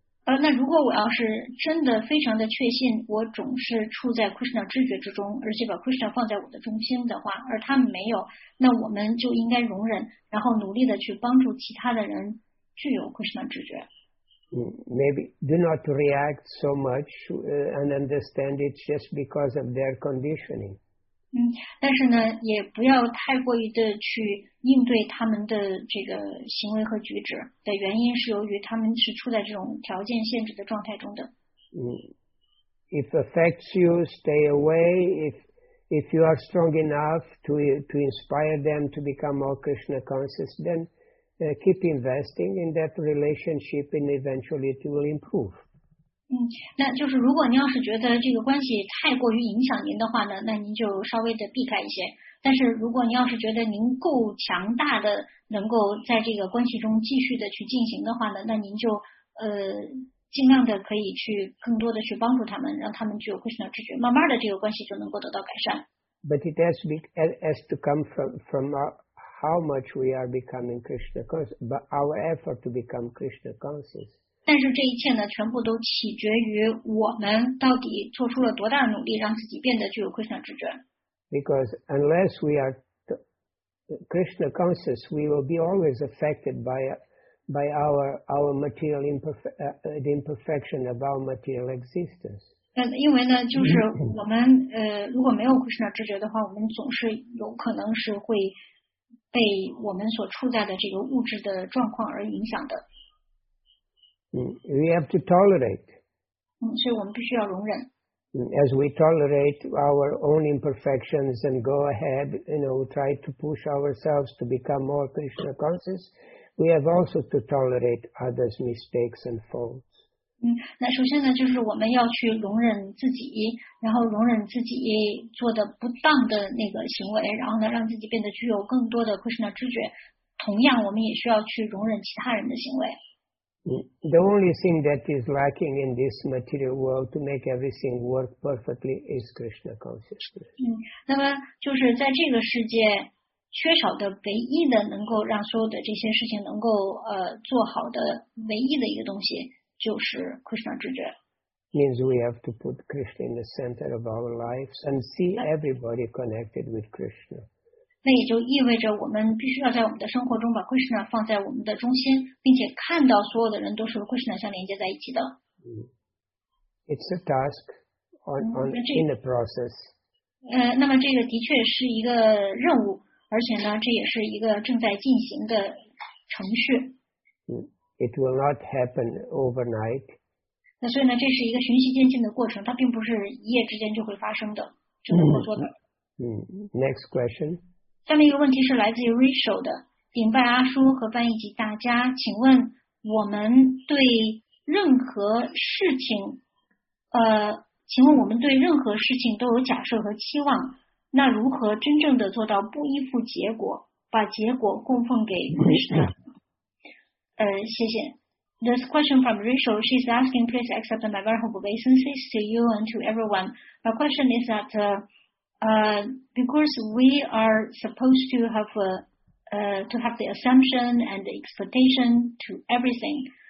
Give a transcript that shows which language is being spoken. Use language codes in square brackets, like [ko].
[zh] 那如果我要是真的非常的确信我总是处在 Krishna 知觉之中，而且把 Krishna 放在我的中心的话，而他们没有，那我们就应该容忍，然后努力的去帮助其他的人具有 Krishna 知觉。 [en] Maybe do not react so much and understand it just because of their conditioning. [zh] 但是呢，也不要太过于的去应对他们的这个行为和举止的原因是由于他们是处在这种条件限制的状态中的。 [en] If affects you, stay away. If you are strong enough to inspire them to become more Krishna conscious, then keep investing in that relationship and eventually it will improve. [zh] 那就是如果您要是觉得这个关系太过于影响您的话呢，那您就稍微的避开一些。但是如果您要是觉得您够强大的，能够在这个关系中继续的去进行的话呢，那您就尽量的可以去更多的去帮助他们，让他们具有Krishna知觉，慢慢的这个关系就能够得到改善。 [en] But it has to come from how much we are becoming Krishna conscious, but our effort to become Krishna conscious. [zh] 但是这一切呢，全部都取决于我们到底做出了多大努力，让自己变得具有 Krishna 知觉。 [en] Because unless we are Krishna conscious, we will be always affected by our material the imperfection of our material existence. [zh] 因为呢，就是我们如果没有 Krishna 知觉的话，我们总是有可能是会被我们所处在的这个物质的状况而影响的。 [en] We have to tolerate. [zh] 所以我们必须要容忍。 [en] As we tolerate our own imperfections and go ahead, you know, try to push ourselves to become more Krishna conscious, we have also to tolerate others' mistakes and faults. [zh] 那首先呢，就是我们要去容忍自己，然后容忍自己做的不当的那个行为，然后呢，让自己变得具有更多的 Krishna 知觉。同样，我们也需要去容忍其他人的行为。 [en] The only thing that is lacking in this material world to make everything work perfectly is Krishna consciousness. [zh] 那么就是在这个世界缺少的唯一的能够让所有的这些事情能够做好的唯一的一个东西就是 Krishna 知觉。 [en] Means we have to put Krishna in the center of our lives and see everybody connected with Krishna. [zh] 那也就意味着我们必须要在我们的生活中把 Krishna 放在我们的中心，并且看到所有的人都是 Krishna 相连接在一起的。 [en] It's a task in the process. [zh] 那么这个的确是一个任务，而且呢，这也是一个正在进行的程序。 [en] It will not happen overnight. [zh] 那所以呢，这是一个循序渐进的过程，它并不是一夜之间就会发生的，这么说的。 [en] Next question. [zh] 下面一个问题是来自于 Rachel 的，顶拜阿叔和翻译及大家，请问我们对任何事情，请问我们对任何事情都有假设和期望，那如何真正的做到不依附结果，把结果供奉给 Krishna？谢谢。 [en] This question from Rachel, she's asking, please accept my very humble obeisances to you and to everyone. My question is that, because we are supposed to have to have the assumption and the expectation to everything.